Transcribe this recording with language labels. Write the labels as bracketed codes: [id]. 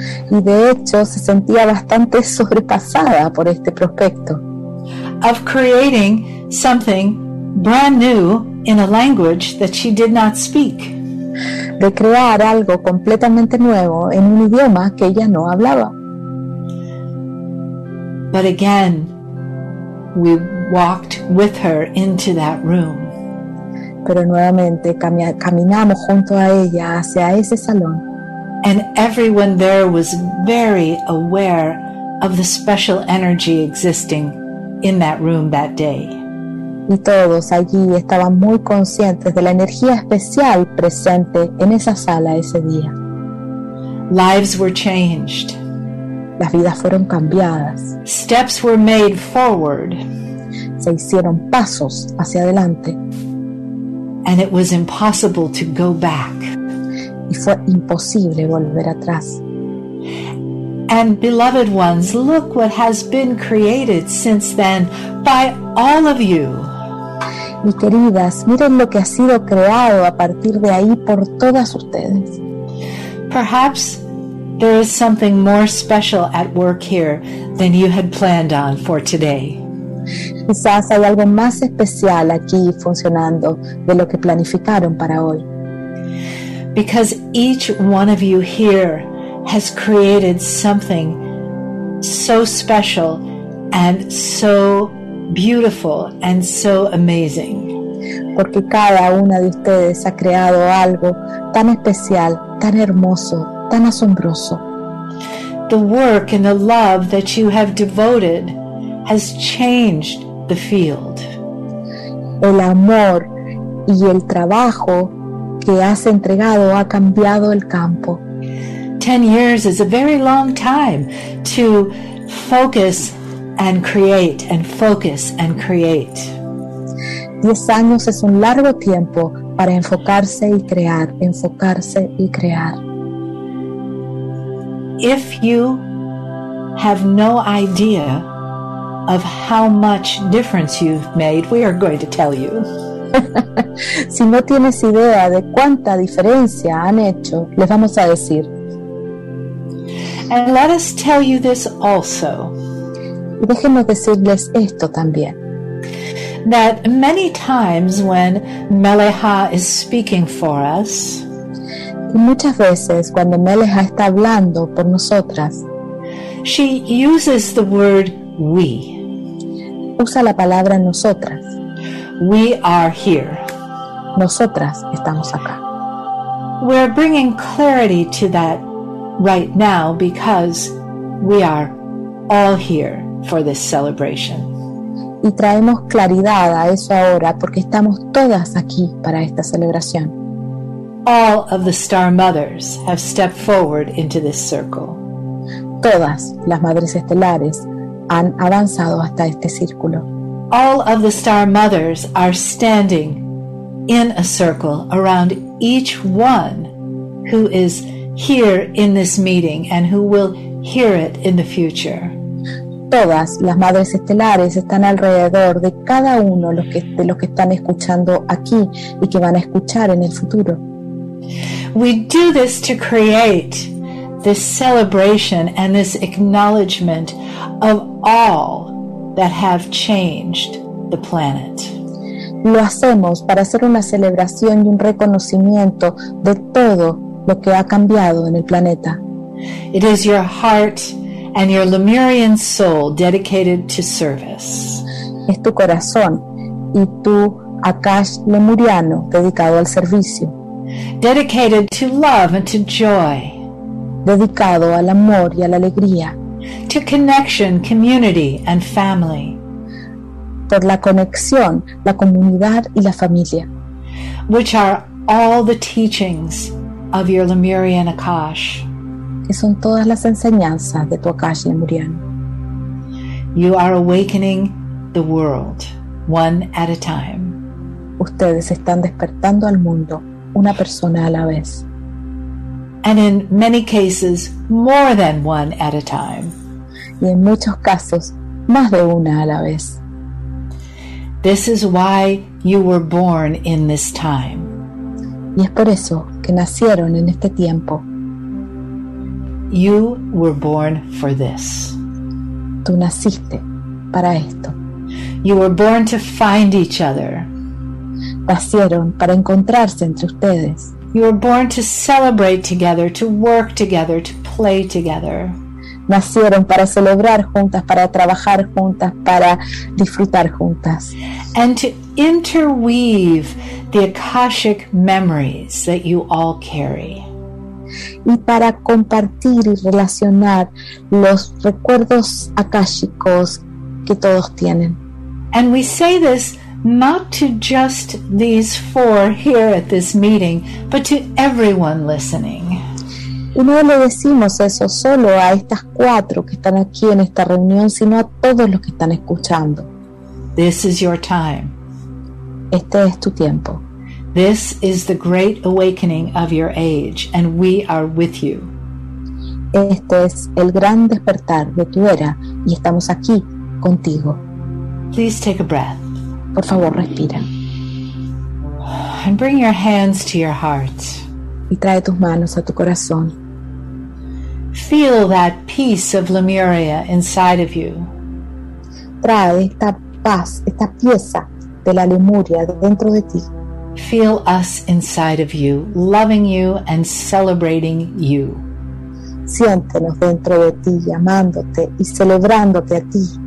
[es] Y de hecho se sentía bastante sobrepasada por este prospecto. [en] Of creating something brand new in a language that she did not speak. [es] De crear algo completamente nuevo en un idioma que ella no hablaba. [en] But again, we walked with her into that room. [es] Pero nuevamente caminamos junto a ella hacia ese salón. [en] And everyone there was very aware of the special energy existing in that room that day. [es] Y todos allí estaban muy conscientes de la energía especial presente en esa sala ese día. [en] Lives were changed. [es] Las vidas fueron cambiadas. [en] Steps were made forward. [es] Se hicieron pasos hacia adelante. [en] And it was impossible to go back. [es] Y fue imposible volver atrás. [en] And beloved ones, look what has been created since then by all of you. [es] Y queridas, miren lo que ha sido creado a partir de ahí por todas ustedes. [en] Perhaps there is something more special at work here than you had planned on for today. [es] Quizás hay algo más especial aquí funcionando de lo que planificaron para hoy. [en] because each one of you here has created something so special and so beautiful and so amazing. [es] Porque cada una de ustedes ha creado algo tan especial, tan hermoso, tan asombroso. [en] The work and the love that you have devoted has changed the field. [es] El amor y el trabajo que has entregado ha cambiado el campo. [en] 10 years is a very long time to focus and create and focus and create. [es] 10 años es un largo tiempo para enfocarse y crear, enfocarse y crear. [en] If you have no idea of how much difference you've made, we are going to tell you. [es] Si no tienes idea de cuánta diferencia han hecho, les vamos a decir. [en] And let us tell you this also. [es] Déjenos decirles esto también. [en] That many times when Meleha is speaking for us, [es] muchas veces cuando Meleha está hablando por nosotras, [en] she uses the word we. [es] Usa la palabra nosotras. [en] We are here. [es] Nosotras estamos acá. [en] We're bringing clarity to that right now because we are all here for this celebration. [es] Y traemos claridad a eso ahora porque estamos todas aquí para esta celebración. [en] All of the Star Mothers have stepped forward into this circle. [es] Todas las Madres Estelares han avanzado hasta este círculo. [en] All of the Star Mothers are standing in a circle around each one who is here in this meeting and who will hear it in the future. [es] Todas las Madres Estelares están alrededor de cada uno de los que están escuchando aquí y que van a escuchar en el futuro. [en] We do this to create this celebration and this acknowledgement of all that have changed the planet. [es] Lo hacemos para hacer una celebración y un reconocimiento de todo lo que ha cambiado en el planeta. [en] It is your heart and your Lemurian soul dedicated to service. [es] Es tu corazón y tu Akash Lemuriano dedicado al servicio. [en] Dedicated to love and to joy. [es] Dedicado al amor y a la alegría. [en] To connection, community and family. [es] Por la conexión, la comunidad y la familia. [en] Which are all the teachings of your Lemurian Akash. [es] Que son todas las enseñanzas de tu Akash Lemuriano. [en] You are awakening the world one at a time. [es] Ustedes están despertando al mundo una persona a la vez. [en] And in many cases, more than one at a time. [es] Y en muchos casos, más de una a la vez. [en] This is why you were born in this time. [es] Y es por eso que nacieron en este tiempo. [en] You were born for this. [es] Tú naciste para esto. [en] You were born to find each other. [es] Nacieron para encontrarse entre ustedes. [en] You were born to celebrate together, to work together, to play together. [es] Nacieron para celebrar juntas, para trabajar juntas, para disfrutar juntas. [en] And to interweave the Akashic memories that you all carry. [es] Y para compartir y relacionar los recuerdos akáshicos que todos tienen. [en] And we say this not to just these four here at this meeting, but to everyone listening. [es] Y no le decimos eso solo a estas cuatro que están aquí en esta reunión, sino a todos los que están escuchando. [en] This is your time. [es] Este es tu tiempo. [en] This is the great awakening of your age, and we are with you. [es] Este es el gran despertar de tu era, y estamos aquí contigo. [en] Please take a breath. [es] Por favor, respira. [en] And bring your hands to your heart. [es] Y trae tus manos a tu corazón. [en] Feel that peace of Lemuria inside of you. [es] Trae esta paz, esta pieza de la Lemuria dentro de ti. [en] Feel us inside of you, loving you and celebrating you. [es] Siéntenos dentro de ti, amándote y celebrándote a ti.